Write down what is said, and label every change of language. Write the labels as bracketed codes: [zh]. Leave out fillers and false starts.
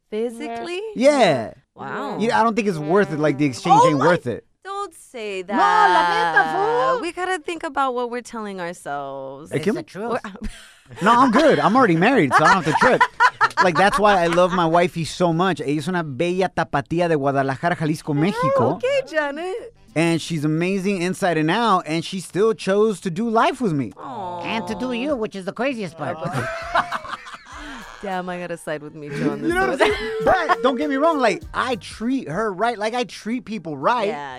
[en] Physically? Yeah. Wow. Yeah, I don't think it's worth it. Like, the exchange ain't worth it. Say that. No, [es] la neta, [en] fool. We gotta think about what we're telling ourselves. It's the truth. No, I'm good. I'm already married, so I don't have to trip. Like, that's why I love my wifey so much. [es] Ella es una bella tapatía de Guadalajara, Jalisco, México. [en] Okay, Janet. And she's amazing inside and out, and she still chose to do life with me. Aww. And to do you, which is the craziest part. Damn, I gotta side with Micho on this. You know what I'm saying? But don't get me wrong. Like, I treat her right. Like, I treat people right. Yeah.